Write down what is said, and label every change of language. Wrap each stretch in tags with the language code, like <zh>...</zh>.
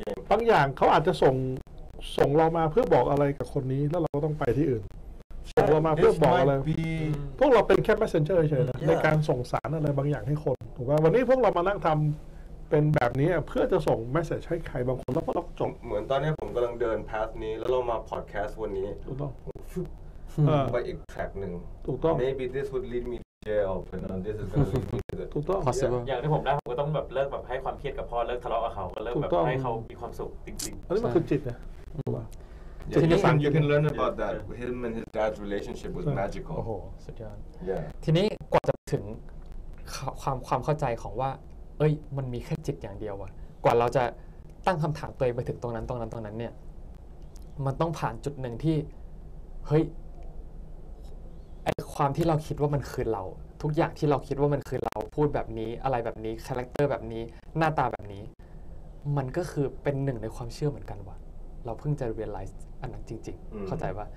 <th>บางอย่างเขาอาจจะส่งเรามาเพื่อบอกอะไรกับคนนี้แล้วเราก็ต้องไปที่อื่นส่งเรามาเพื่อบอกอะไรพวกเราเป็นแค่ messenger เฉยๆนะในการส่งสารอะไรบางอย่างให้คนถูกป่ะวันนี้พวกเรามานั่งทำเป็นแบบนี้เพื่อจะส่ง message ให้ใครบางคนแล้วก็เราจบ เหมือนตอนนี้ผมกำลังเดิน path นี้แล้วเรามา podcast วันนี้ถูกต้อง ไปอีกแทร็กหนึ่ง ถูกต้อง</th> <en>maybe this would lead me to jail but no this is gonna lead me to</en> <th>ถูกต้อง อย่างที่ผมได้ผมก็ต้องแบบเลิกแบบให้ความเครียดกับพ่อเลิกทะเลาะกับเขาก็เลิกแบบให้เขามีความสุขจริงๆ อันนี้มันคือจิตนะ ถูกป่ะ</th> <en>you can learn about that him and his dad's relationship was magical</en> <th>โอ้โหสุดยอด</th> <en>Yeah</en> <th>ทีนี้กว่าจะถึงความเข้าใจของว่าเอ้ยมันมีแค่จิตอย่างเดียวอะกว่าเราจะตั้งคำถามตัวเองไปถึงตรงนั้นเนี่ยมันต้องผ่านจุดหนึ่งที่เฮ้ยไอ้ความที่เราคิดว่ามันคือเราทุกอย่างที่เราคิดว่ามันคือเราพูดแบบนี้อะไรแบบนี้คาแรคเตอร์แบบนี้หน้าตาแบบนี้มันก็คือเป็นหนึ่งในความเชื่อเหมือนกันว่ะเราเพิ่งจะ realize อันนั้นจริงๆเข้าใจป่ะ</th>